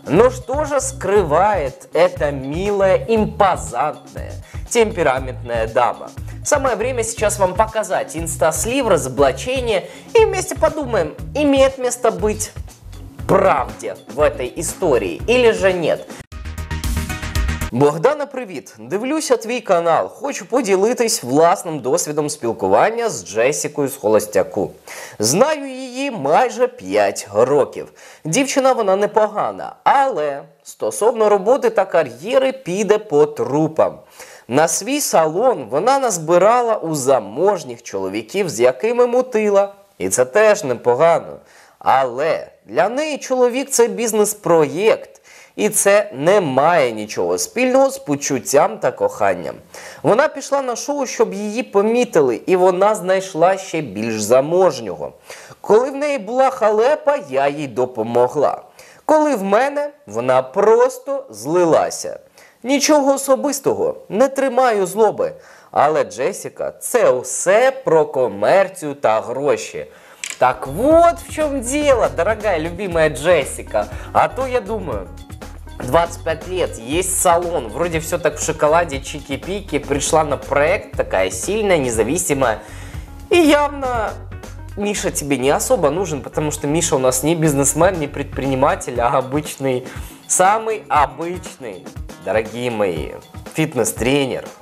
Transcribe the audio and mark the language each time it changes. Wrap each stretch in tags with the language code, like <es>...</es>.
<ru>Но что же скрывает эта милая, импозантная, темпераментная дама? Самое время сейчас вам показать инстаслив, разоблачение. И вместе подумаем, имеет место быть правде в этой истории или же нет.</ru> <uk>Богдана, привіт! Дивлюся твій канал. Хочу поділитись власним досвідом спілкування з Джесікою з Холостяку. Знаю її майже 5 років. Дівчина вона непогана, але стосовно роботи та кар'єри піде по трупам. На свій салон вона назбирала у заможніх чоловіків, з якими мутила. І це теж непогано. Але для неї чоловік – це бізнес-проєкт. І це не має нічого спільного з почуттям та коханням. Вона пішла на шоу, щоб її помітили, і вона знайшла ще більш заможнього. Коли в неї була халепа, я їй допомогла. Коли в мене, вона просто злилася. Нічого особистого, не тримаю злоби. Але Джесіка, це все про комерцію та гроші. Так от в чому діло, дорога і любима Джесіка.</uk> <ru>А то я думаю, 25 лет, есть салон, вроде все так в шоколаде, чики-пики, пришла на проект, такая сильная, независимая, и явно Миша тебе не особо нужен, потому что Миша у нас не бизнесмен, не предприниматель, а обычный, самый обычный, дорогие мои, фитнес-тренер.</ru>